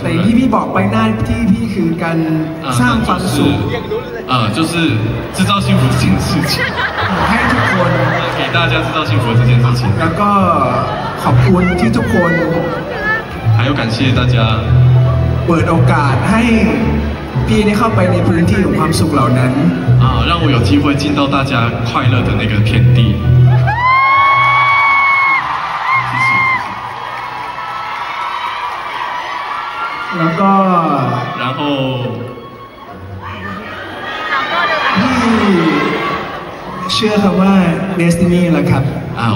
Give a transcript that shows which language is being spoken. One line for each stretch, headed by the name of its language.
Thai: แต่ที่พี่บอกไปนั่นที่พี่คือการสร้างความสุข
Chinese: 就是制造幸福这件事情
Thai: ให้ทุกคน
Chinese: 给大家制造幸福这件事情
Thai: แล้วก็ขอบคุณที่ทุกคน
Chinese: 还有感谢大家
Thai: เปิดโอกาสให้พี่ได้เข้าไปในพื้นที่ของความสุขเหล่านั้น
Chinese: 让我有机会进到大家快乐的那个天地。谢谢。然后你说什么 destiny 了ครับ